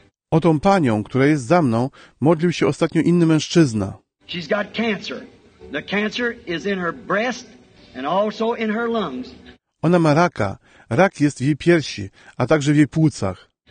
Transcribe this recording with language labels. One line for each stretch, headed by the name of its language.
Polish: O tą panią, która jest za mną, modlił się ostatnio inny mężczyzna.
English: She's got cancer. The cancer is in her breast and also in her lungs.
Polish: Ona ma raka. Rak jest w jej piersi, a także w jej płucach.